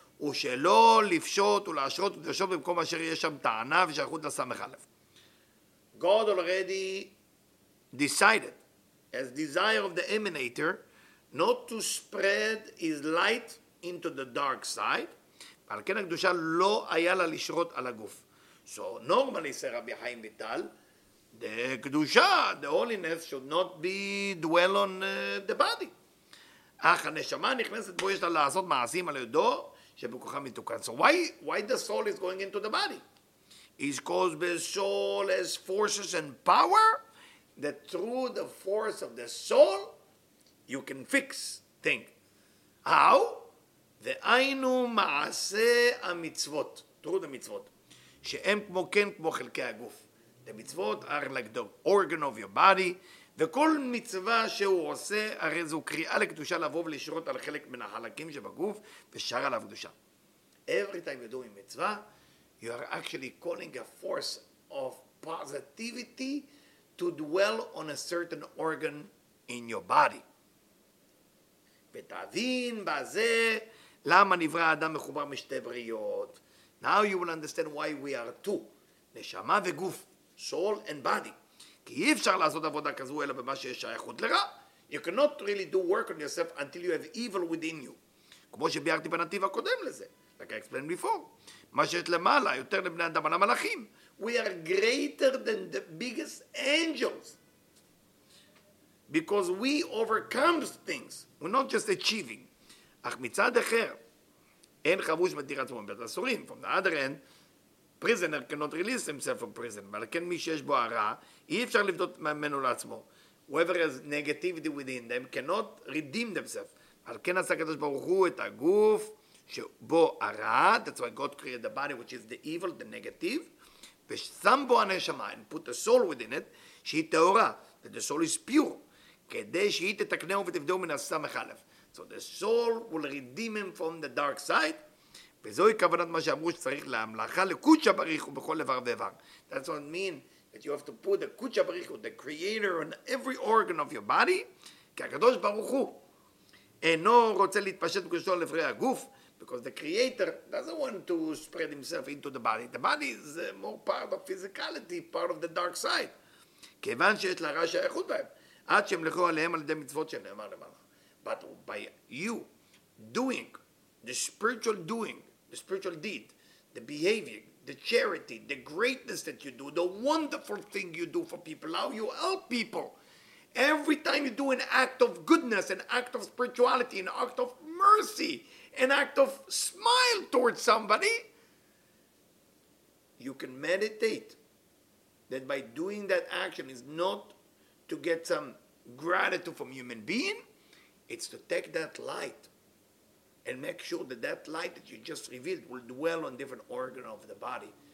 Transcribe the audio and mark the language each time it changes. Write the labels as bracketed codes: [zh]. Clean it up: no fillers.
[he] ושלא לפשוט ולהשרות ולדרשות במקום אשר יש שם טענה ושייכות לסמך אלף. [en] God already decided, as desire of the emanator, not to spread his light into the dark side, [he] ועל כן הקדושה לא היה לה לשרות על הגוף. [en] So normally, says Rabbi Chaim Vital, the קדושה, the holiness, should not be dwell on the body. [he] אך הנשמה נכנסת בו יש לה לעשות מעשים על ידו, [en] So why the soul is going into the body? It's because the soul has forces and power that through the force of the soul you can fix things. How? [he] The Ainu Maaseh HaMitzvot. [en] Through the mitzvot. [he] She'em kmo ken kmo chelkei haguf. [en] The mitzvot are like the organ of your body. [he] וכל מצווה שהוא עושה, הרי זו קריאה לקדושה לבוא ולשרות על חלק מן החלקים שבגוף, ושר עליו קדושה. [en] Every time you do a mitzvah, you are actually calling a force of positivity to dwell on a certain organ in your body. [he] ותבין בזה, למה נברא האדם מחובר משתי בריאות. [en] Now you will understand why we are two, נשמה וגוף, soul and body. [he] כי אי אפשר לעשות עבודה כזו אלא במה שיש שייכות לרע. [en] You cannot really do work on yourself until you have evil within you. [he] כמו שביארתי בנתיב הקודם לזה. [en] Like I explained before. [he] מה שיש למעלה יותר לבני אדם על המלאכים. [en] We are greater than the biggest angels. Because we overcome things. We're not just achieving. [he] אך מצד אחר, אין חבוש מדיר עצמו מבית הסורים. [en] From the other end, prisoner cannot release himself from prison. [he] אבל כן מי שיש בו הרע, אי אפשר לבדות ממנו לעצמו. [en] Whoever has negativity within them cannot redeem themselves. [he] אבל כן עשה הקדוש ברוך הוא את הגוף שבו הרע, [en] that's why God created the body which is the evil, the negative, [he] ושם בו הנשמה [en] and put the soul within it, [he] שהיא טהורה, [en] that the soul is pure. [he] כדי שהיא תתקנהו ותבדעו מן הסמך א'. [en] So the soul will redeem him from the dark side. [he] וזוהי כוונת מה שאמרו שצריך להמלאכה לקודשא בריך הוא בכל לבר ובר. [en] That's what I mean, that you have to put the קודשא בריך הוא, the creator on every organ of your body, [he] כי הקדוש ברוך הוא אינו רוצה להתפשט בקודשו לברי הגוף, [en] because the creator doesn't want to spread himself into the body. The body is more part of physicality, part of the dark side. [he] כיוון שיש לרע שייכות בהם, עד שהם לכו עליהם על ידי מצוות שנאמר למעלה. [en] But by you doing the spiritual doing, the spiritual deed, the behavior, the charity, the greatness that you do, the wonderful thing you do for people, how you help people. Every time you do an act of goodness, an act of spirituality, an act of mercy, an act of smile towards somebody, you can meditate that by doing that action is not to get some gratitude from human being, it's to take that light and make sure that that light that you just revealed will dwell on different organ of the body.